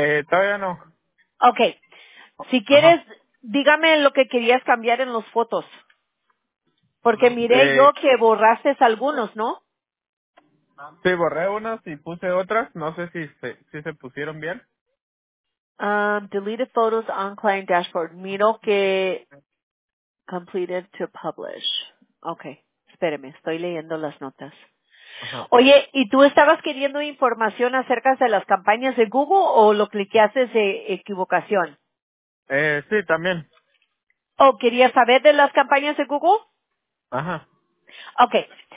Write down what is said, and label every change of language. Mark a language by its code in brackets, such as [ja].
[es] Todavía no. Okay. Si quieres, dígame lo que querías cambiar en las fotos. Porque miré yo que borraste algunos, ¿no? Sí, borré unas y puse otras. No sé si se pusieron bien. [en] Deleted photos on client dashboard. [es] Miro que [en] completed to publish. [es] Okay. Espéreme, estoy leyendo las notas. Oye, ¿y tú estabas queriendo información acerca de las campañas de Google o lo cliqueaste de equivocación? Sí, también. ¿O querías saber de las campañas de Google? Okay.